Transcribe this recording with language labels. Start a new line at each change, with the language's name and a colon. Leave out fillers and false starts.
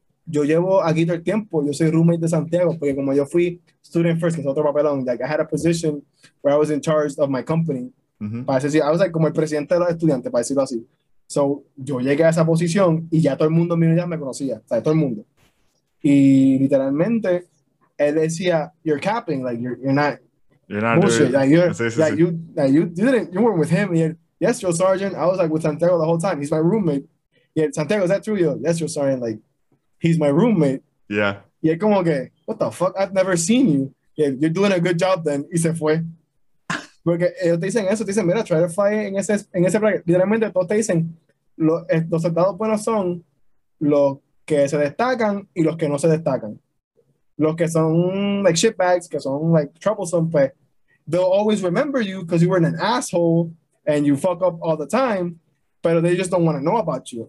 Spanish: Yo llevo aquí todo el tiempo, yo soy roommate de Santiago, porque como yo fui student first, que es otro papelón,
English: like I had a position where I was in charge of my company. Mm-hmm.
Spanish: Para decirlo,
English: I was like
Spanish: como el presidente de los estudiantes, para decirlo así. So, yo llegué a esa posición y ya todo el mundo en mi unidad me conocía, o sea, todo el mundo.
English: Y literalmente él decía, you're capping, like you weren't with him. Y él, yes, your sergeant. I was like with Santiago the whole time, he's my roommate. Y él, Santiago, is that true? Yo, yes, your sergeant, like he's my roommate. Yeah.
Spanish: Y él como que,
English: what the fuck, I've never seen you. Yeah, you're doing a good job then.
Spanish: Y se fue porque ellos te dicen eso, te dicen mira,
English: try to fly
Spanish: en ese bracket. Literalmente todos te dicen los soldados buenos son los que se destacan y los que no se destacan. Los que son
English: like shitbags, que son like troublesome, pues they'll always remember you because you were an asshole and you fuck up all the time, pero they just don't want to know about you.